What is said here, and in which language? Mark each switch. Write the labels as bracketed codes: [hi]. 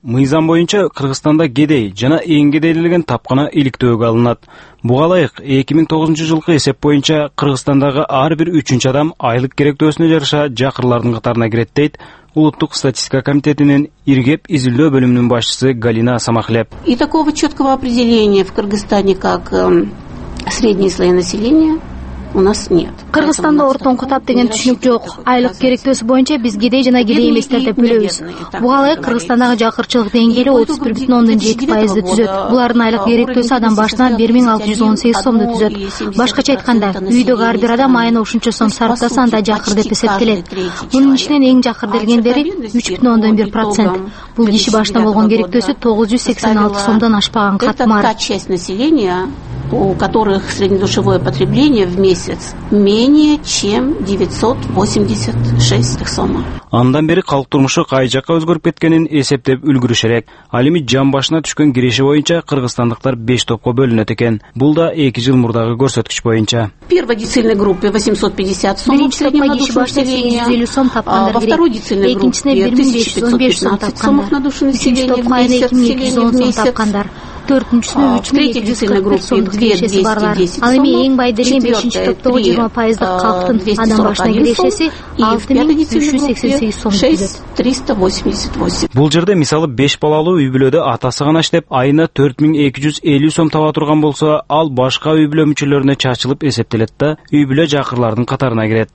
[ky] Мыйзам боюнча Кыргызстанда кедей жана эң кедейлиген тапкана иликтөөгө алынат. Буга ылайык, 2009-жылкы эсеп боюнча Кыргызстандагы ар бир үчүнчү адам айлык керектөөсүнө жараша жакырлардын катарына кирет, дейт Улуттук статистика комитетинин иргеп изилдөө бөлүмүнүн башчысы Галина Самахлеп. [ru] И такого четкого определения в Кыргызстане, как средние слои населения, у нас нет. [ky] Кыргызстанда ортоңку тап деген түшүнүк жок. Айлык керектөөсү боюнча биз кедей жана кедей эместер деп бөлөбүз. Буга ылайык, Кыргызстандагы жакырчылык деңгээли 31.7% түзөт. Булардын айлык керектөөсү адам башына 1,618 сомду түзөт. Башкача айтканда, үйдөгү ар бир адам айына ушунча сом сарптаса анда жакыр деп эсептелет. Мунун ичинен эң жакыр делгендери 3.1%. Бул киши башына болгон керектөөсү 986 сомдон ашпаган катмар. [ru] У которых среднедушевое потребление в месяц менее чем 986 сома. [ky] Андан бери калк турмушу кай жака өзгөрүп кеткенин эсептеп үлгүрүшерек, ал эми жан башына түшкөн киреши боюнча кыргызстандыктар 5 топко бөлүнөт экен. Бул да 2 жыл мурдагы көрсөткүч боюнча. [ru] Первой децильной группе 850 сом, [ky] биринчи топко киши башына 850 сом тапкандар кирет. [ru] Во второй децильной группе 1515 сомов на душу населения [ky] тапкандар. Төртүнчүсүнө 3,210 сом. Ал эми эң бай деген 5-топтогу 20% калктын адам башына кирешеси 6,388 сом. 6,388. Бул жерде мисалы 5 балалуу үй бүлөдө атасы гана иштеп, айына 4,250 сом таба турган болсо, ал башка үй бүлө мүчөлөрүнө чачылып эсептелет да үй бүлө жакырлардын катарына кирет.